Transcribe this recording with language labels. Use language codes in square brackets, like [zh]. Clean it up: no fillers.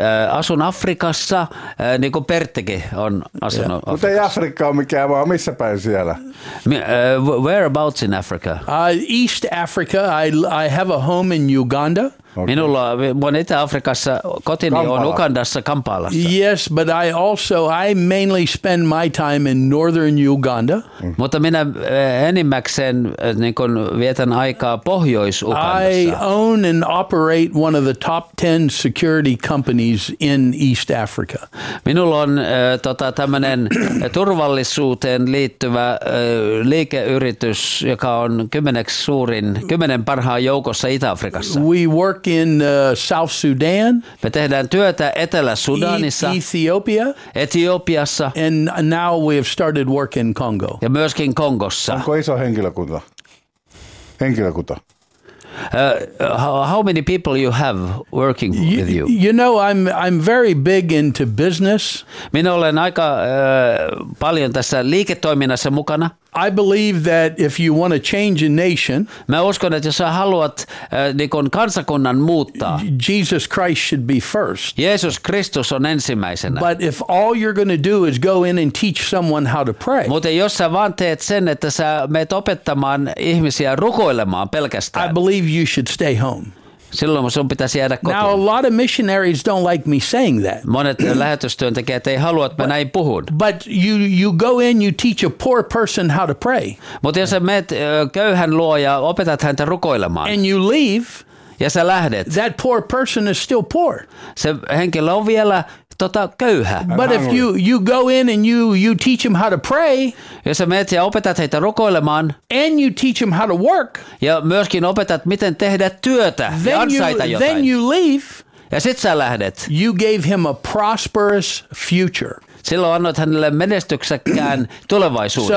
[fi] Asun Afrikassa, niin kuin Perttikin on asunut Afrikassa. Mutta ei Afrikka ole mikään vaan, missä päin siellä? [en] Whereabouts in Africa? East Africa. I have a home in Uganda. Okay. [fi] Minulla on Itä-Afrikassa, kotini Kampala. On Ugandassa, Kampalassa. [en] Yes, but I mainly spend my time in northern Uganda. Mm. [fi] Mutta minä enimmäkseen niin kun vietän aikaa Pohjois-Ugandassa. [en] I own and operate one of the top 10 security companies in East Africa. [fi] Minulla on tämmöinen turvallisuuteen liittyvä liikeyritys, joka on kymmenen parhaan joukossa Itä-Afrikassa. [en] We work in South Sudan. [fi] Me tehdään työtä Etelä-Sudanissa. [en] Ethiopia. [fi] Etiopiassa. [en] And now we have started work in Congo. [fi] Ja myöskin Kongossa. Onko iso henkilökunta? Henkilökunta. [en] How many people you have working with you? You know, I'm very big into business. [fi] Minä olen aika paljon tässä liiketoiminnassa mukana. [en] I believe that if you want to change a nation, [fi] mä uskon, että jos sä haluat niin kun kansakunnan muuttaa, [en] Jesus Christ should be first. [fi] Jeesus Kristus on ensimmäisenä. [en] But if all you're going to do is go in and teach someone how to pray, [fi] mutta jos sä vaan teet sen, että sä meet opettamaan ihmisiä rukoilemaan pelkästään, [en] I believe you should stay home. [fi] Silloin sun pitäisi jäädä kotiin. [en] Now a lot of missionaries don't like me saying that. [fi] Monet lähetystyöntekijät ei halua, että mä näin puhun. [en] But you go in, you teach a poor person how to pray. [fi] Mutta jos sä meet köyhän luo ja opetat häntä rukoilemaan. [en] And you leave. [fi] Ja sä lähdet. [en] That poor person is still poor. [fi] Se henkilö on vielä köyhä. [en] But if you go in and you teach him how to pray, [fi] ja sä meet ja opetat heitä rukoilemaan, [en] and you teach him how to work, [fi] ja myöskin opetat miten tehdä työtä, [en] then [fi] ja ansaita jotain. [en] Then you leave, [fi] ja sit sä lähdet. [en] You gave him a prosperous future. [fi] Silloin annoit hänelle menestyksekkään tulevaisuuden.